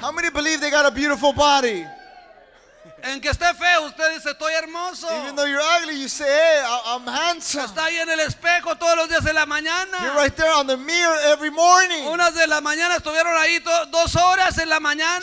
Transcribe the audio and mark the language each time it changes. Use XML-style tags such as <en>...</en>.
<en>How many believe they got a beautiful body?</en> <es>En que esté feo, usted dice, estoy hermoso.</es> <en>Even though you're ugly, you say, hey, I'm handsome.</en> <es>Está ahí en el espejo todos los días de la mañana.</es> <en>You're right there on the mirror every morning.</en> <es>Unas de la mañana estuvieron ahí dos horas en la mañana.</es>